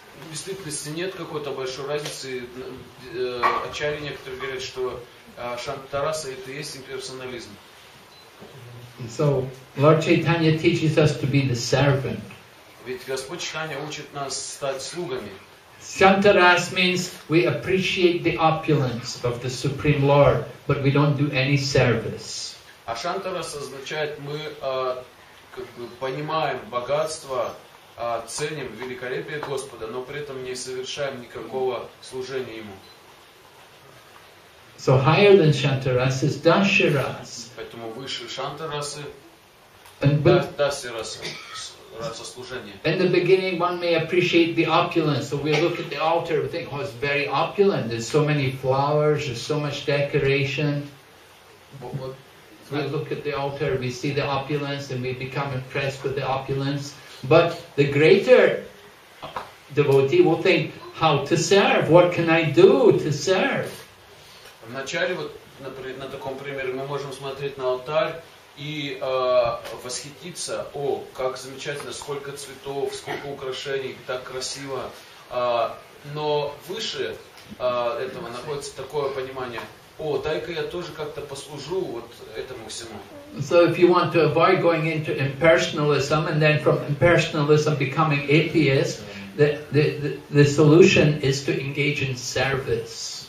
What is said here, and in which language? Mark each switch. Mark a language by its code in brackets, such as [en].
[ru] В действительности нет какой-то большой разницы. Ачарьи некоторые говорят, что Шантараса это есть имперсонализм. [en] So Lord Chaitanya teaches us to be the servant. [ru] Ведь Господь Чайтанья учит нас стать слугами. [en] Shantaras means we appreciate the opulence of the Supreme Lord, but we don't do any service. [ru] А Шантарас означает мы как бы понимаем богатство, ценим великолепие Господа, но при этом не совершаем никакого служения Ему. [en] So higher than Shantaras is Dasharas. [ru] Поэтому выше Шантарасы, Дасирасы, раса служения. [en] In the beginning, one may appreciate the opulence. So we look at the altar, we think, oh, it's very opulent. There's so many flowers, there's so much decoration. We look at the altar, we see the opulence, and we become impressed with the opulence. But the greater devotee will think, how to serve? What can I do to serve? [ru] Вначале, вот, например, на таком примере, мы можем смотреть на алтарь и восхититься, о, как замечательно, сколько цветов, сколько украшений, так красиво. Но выше этого находится такое понимание: о, дай-ка я тоже как-то послужу вот этому всему. [en] So if you want to avoid going into impersonalism and then from impersonalism becoming atheist, the solution is to engage in service.